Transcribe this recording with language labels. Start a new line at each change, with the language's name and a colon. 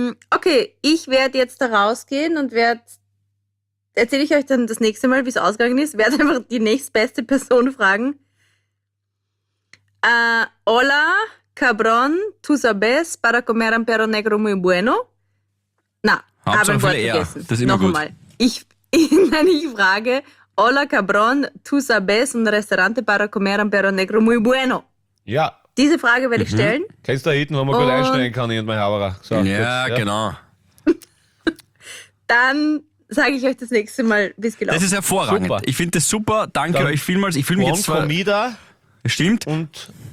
German: Okay, ich werde jetzt da rausgehen und erzähle ich euch dann das nächste Mal, wie es ausgegangen ist, werde einfach die nächstbeste Person fragen.
Spanish: Hola, Cabron, tu sabes para comer un perro negro muy bueno?
German: Na, habe ein Wort vergessen. Das ist immer noch gut. Nochmal. Ich frage,
Spanish: hola Cabron, tu sabes un restaurante para comer un perro negro muy bueno?
German: Ja. Diese Frage werde ich stellen. Kennst du da hinten, wo man gut einsteigen kann, ich und mein Haberer? So, ja, genau. Dann sage ich euch das nächste Mal, wie es gelaufen ist. Das ist hervorragend. Super. Ich finde das super. Danke euch vielmals. Ich fühle mich jetzt zwar
Spanish: Comida.
German: Stimmt. Und